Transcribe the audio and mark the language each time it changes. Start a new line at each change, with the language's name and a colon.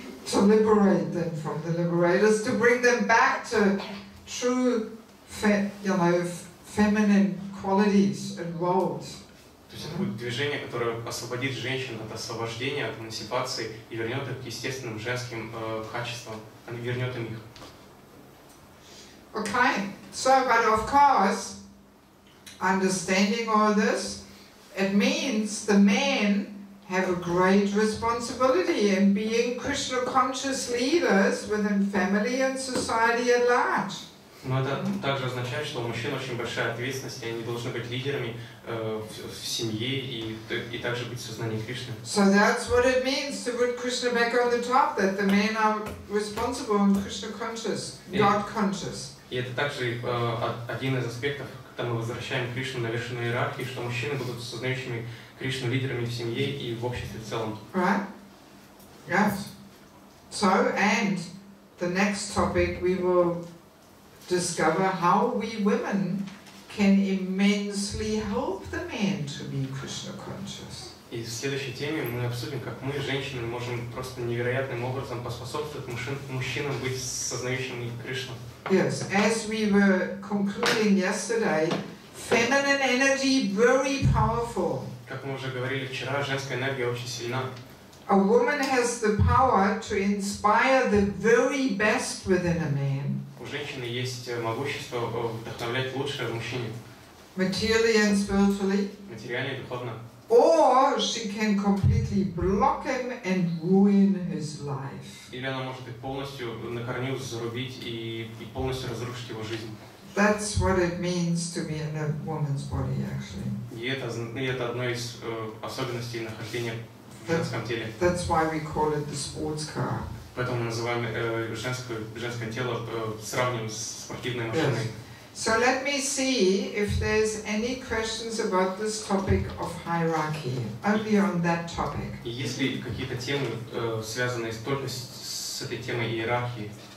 English: To liberate them from the liberators, to bring them back to true, feminine qualities and roles.
Russian: То есть это будет движение, которое освободит женщин от освобождения, от эмансипации и вернет их к естественным женским качествам, а не вернет им их.
English: Okay. So, but of course, understanding all this, it means the men have a great responsibility in being Krishna conscious leaders within family and society at large.
Russian: Но это также означает, что у мужчин очень большая ответственность, и они должны быть лидерами в семье и также быть в сознании Кришны.
English: So that's what it means to put Krishna back on the top, that the men are responsible and Krishna conscious, God conscious.
Russian: И это также один из аспектов, когда мы возвращаем Кришну на вершину иерархии, что мужчины будут сознающими Кришну лидерами в семье и в обществе в целом.
English: Right? Yes. So, and the next topic we will discover how we women can immensely help the men to be Krishna conscious.
Russian: И в следующей теме мы обсудим, как мы, женщины, можем просто невероятным образом поспособствовать мужчинам быть сознающими Кришну.
English: Yes, as we were concluding yesterday, feminine energy very powerful.
Russian: Как мы уже говорили вчера, женская энергия очень сильна.
English: A woman has the power to inspire the very best within a man.
Russian: У женщины есть могущество вдохновлять лучшее в мужчине.
English: Materially and spiritually.
Russian: Материально и духовно.
English: Or she can completely block him and ruin his life.
Russian: Или она может их полностью на корню зарубить и полностью разрушить его жизнь.
English: That's what it means to be in a woman's body, actually.
Russian: И это одно из особенностей нахождения в женском теле.
English: That's why we call it the sports car.
Russian: Поэтому мы называем женское тело сравним с спортивной машиной.
English: Yes. So let me see if there's any questions about this topic of hierarchy. Only on that topic.
Russian: Есть ли какие-то темы, связанные только с этой темой иерархии?